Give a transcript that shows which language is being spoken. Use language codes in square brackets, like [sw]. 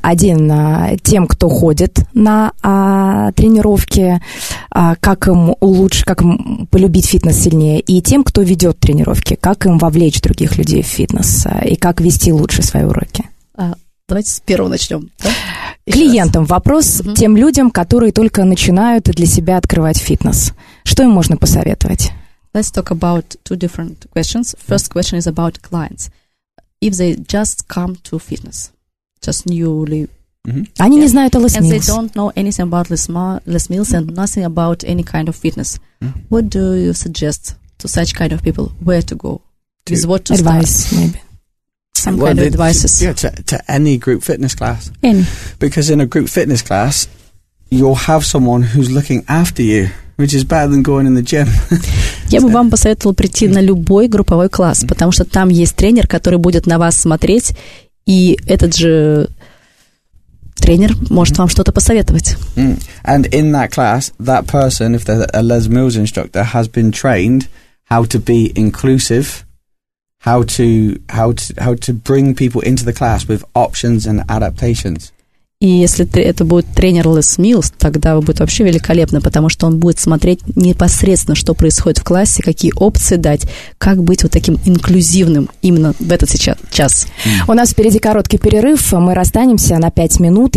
[ru] Один тем, кто ходит на тренировки, как им улучшить, как им полюбить фитнес сильнее, и тем, кто ведет тренировки, как им вовлечь других людей в фитнес и как вести лучше свои уроки. Давайте с первого начнем. Да? Клиентам вопрос, угу. Тем людям, которые только начинают для себя открывать фитнес. Что им можно посоветовать? [en] Let's talk about two different questions. First question is about clients. If they just come to fitness, just newly... [ru] Mm-hmm. Они не знают о Les Mills. [en] And they don't know anything about Les Mills and nothing about any kind of fitness. Mm-hmm. What do you suggest to such kind of people? Where to go? With what to start? Advice, maybe. Some kind of advices. To any group fitness class. Any. Because in a group fitness class, you'll have someone who's looking after you. Which is better than going in the gym. [ru] Я бы вам посоветовала прийти на любой групповой класс, потому что там есть тренер, который будет на вас смотреть, и этот же тренер может вам что-то посоветовать. Mm. [en] And in that class, that person, if they're a Les Mills instructor, has been trained how to be inclusive, how to bring people into the class with options and adaptations. [ru] И если это будет тренер Les Mills, тогда будет вообще великолепно, потому что он будет смотреть непосредственно, что происходит в классе, какие опции дать, как быть вот таким инклюзивным именно в этот сейчас час. Mm. У нас впереди короткий перерыв, мы расстанемся на 5 минут.